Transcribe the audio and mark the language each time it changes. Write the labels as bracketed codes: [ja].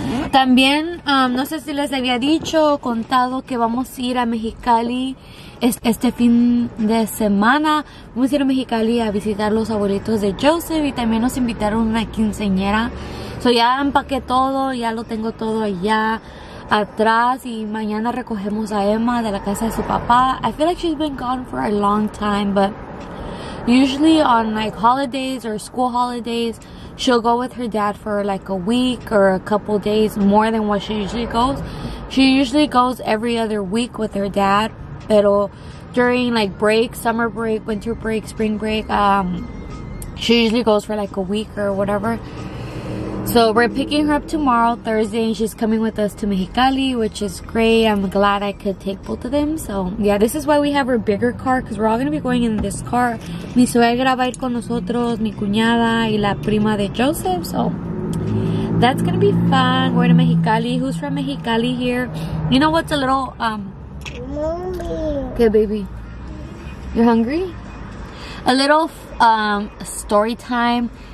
[es] También, no sé si les había dicho o contado que vamos a ir a Mexicali este fin de semana. Vamos a ir a Mexicali a visitar los abuelitos de Joseph, y también nos invitaron una quinceañera. So ya empaqué todo, ya lo tengo todo allá atrás, y mañana recogemos a Emma de la casa de su papá. [en] I feel like she's been gone for a long time, but usually on like holidays or school holidays, she'll go with her dad for like a week or a couple days, more than what she usually goes. She usually goes every other week with her dad. Pero during like break, summer break, winter break, spring break, she usually goes for like a week or whatever. So we're picking her up tomorrow, Thursday, and she's coming with us to Mexicali, which is great. I'm glad I could take both of them. So yeah, this is why we have her bigger car, because we're all going to be going in this car. [es] Mi suegra va a ir con nosotros, mi cuñada y la prima de Joseph. [en] So that's going to be fun. We're in Mexicali. Who's from Mexicali here? You know what's a little... Mommy. Okay, baby. You're hungry? Yeah. a little story time.